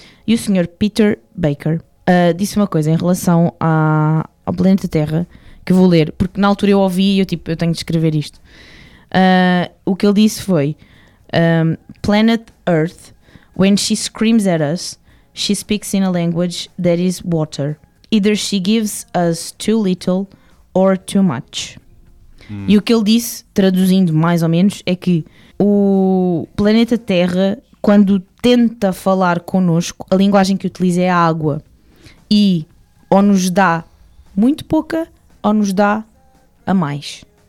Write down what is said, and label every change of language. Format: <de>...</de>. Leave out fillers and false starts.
<pt>E o senhor Peter Baker disse uma coisa em relação ao planeta Terra, que eu vou ler, porque na altura eu ouvi e eu tipo, eu tenho de escrever isto. O que ele disse foi:</pt> <en>Planet Earth, when she screams at us, she speaks in a language that is water. Either she gives us too little or too much.</en> <pt>E o que ele disse, traduzindo mais ou menos, é que o planeta Terra, quando tenta falar connosco, a linguagem que utiliza é a água. E ou nos dá muito pouca ou nos dá a mais.</pt>